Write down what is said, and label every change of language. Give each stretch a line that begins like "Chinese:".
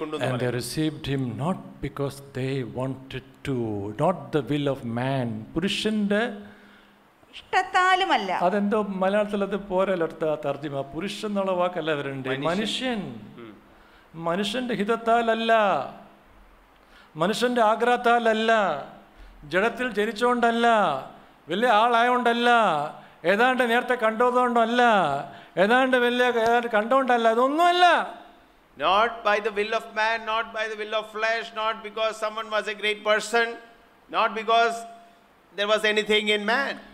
English: And they received him not because they wanted to, not the will of man.
Malayalam: Purushinte ഇഷ്ടത്താലുമല്ല. അതെന്തോ മലയാളത്തിൽ അത് പോരല്ലോ തർജ്ജിമ, പുരുഷ എന്നുള്ള വാക്കല്ല വരണ്ട്. മനുഷ്യൻ, മനുഷ്യന്റെ ഹിതത്താലല്ല, മനുഷ്യന്റെ ആഗ്രഹത്താലല്ല, ജഡത്തിൽ ജനിച്ചോണ്ടല്ല, വലിയ ആളായോണ്ടല്ല, ഏതാണ്ട് നേരത്തെ കണ്ടതുകൊണ്ടല്ല, ഏതാണ്ട് വലിയ ഏതാണ്ട് കണ്ടോണ്ടല്ല, ഇതൊന്നുമല്ല.
English: Not by the will of man, not by the will of flesh, not because someone was a great person, not because there was anything in man.